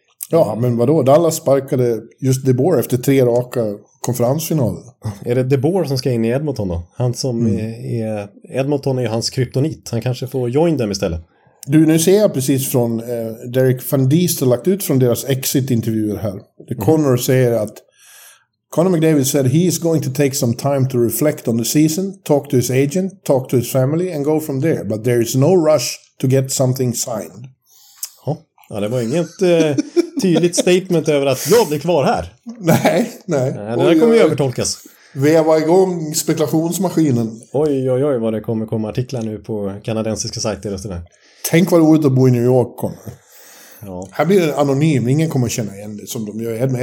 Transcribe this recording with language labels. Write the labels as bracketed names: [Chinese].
[Swedish] Ja, men vadå? Dallas sparkade just De Boer efter tre raka konferensfinaler. Är det De Boer som ska in i Edmonton då? Han som är Edmonton är ju hans kryptonit. Han kanske får join dem istället. Du, nu ser jag precis från Derek Van Diest har lagt ut från deras exit-intervjuer här. Connor säger att [English] Conor McDavid said he is going to take some time to reflect on the season, talk to his agent, talk to his family and go from there. But there is no rush to get something signed. [Swedish] Ja, det var inget tydligt statement över att jag blir kvar här. Nej. Det här kommer ju övertolkas. Veva igång spekulationsmaskinen. Oj, vad det kommer komma artiklar nu på kanadensiska sajter. Tänk vad roligt att bo i New York, Conor. Ja. Här blir det anonym, ingen kommer känna igen det som de gör.